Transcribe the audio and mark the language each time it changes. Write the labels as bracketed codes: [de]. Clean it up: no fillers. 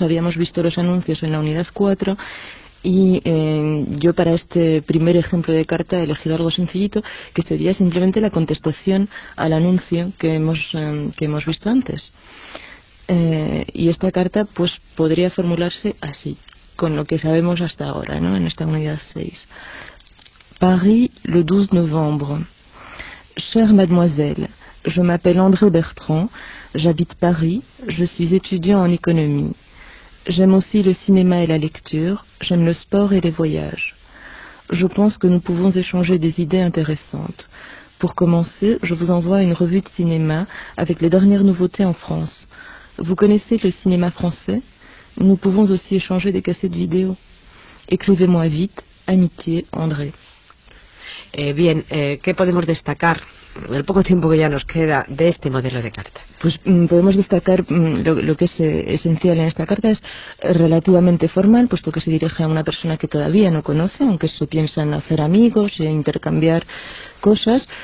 [es] Habíamos visto los anuncios en la unidad 4. Y yo para este primer ejemplo de carta he elegido algo sencillito, que sería simplemente la contestación al anuncio que hemos visto antes. Y esta carta pues podría formularse así, con lo que sabemos hasta ahora, ¿no? En esta unidad 6. [fr] Paris, le 12 novembre. Chère mademoiselle, je m'appelle André Bertrand, j'habite Paris, je suis étudiant en économie. J'aime aussi le cinéma et la lecture, j'aime le sport et les voyages. Je pense que nous pouvons échanger des idées intéressantes. Pour commencer, je vous envoie une revue de cinéma avec les dernières nouveautés en France. Vous connaissez le cinéma français? Nous pouvons aussi échanger des cassettes vidéo. Écrivez-moi vite, amitié, André. [es] ¿Qué podemos destacar? El poco tiempo que ya nos queda de este modelo de carta. Pues podemos destacar lo que es esencial en esta carta. Es relativamente formal, puesto que se dirige a una persona que todavía no conoce, aunque se piensa en hacer amigos e intercambiar cosas.